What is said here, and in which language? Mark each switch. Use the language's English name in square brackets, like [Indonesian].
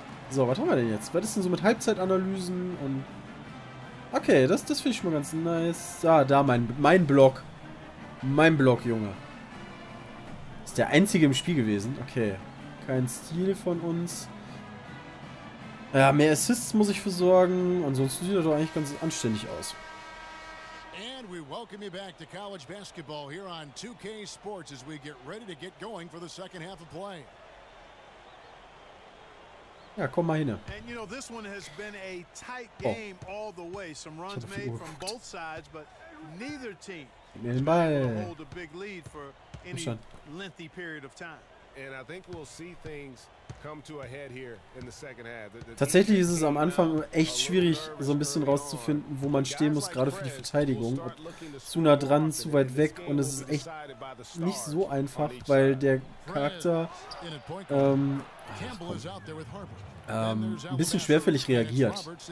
[German] So, was haben wir denn jetzt? Was ist denn so mit Halbzeitanalysen und... Okay, das finde ich schon mal ganz nice. Ah, da mein Block. Mein Block, Junge. Ist der einzige im Spiel gewesen. Okay. Kein Stil von uns. Ja, mehr Assists muss ich versorgen. Ansonsten sieht er doch eigentlich ganz anständig aus. [English] And we welcome you back to college basketball here on 2K Sports as we get ready to get going for the second half of play. [German] Ja, komm mal hin. [English] And you know, this one has been a tight game all the way. Some runs made from both sides, but neither team. [German] Gib mir den Ball. [English] Hold a big lead for any lengthy period of time. And I think we'll see things come to a head here in the second half. [German] Tatsächlich ist es am Anfang echt schwierig, so ein bisschen rauszufinden, wo man stehen muss, gerade für die Verteidigung. Ob zu nah dran, zu weit weg, und es ist echt nicht so einfach, weil der Charakter ein bisschen schwerfällig reagiert.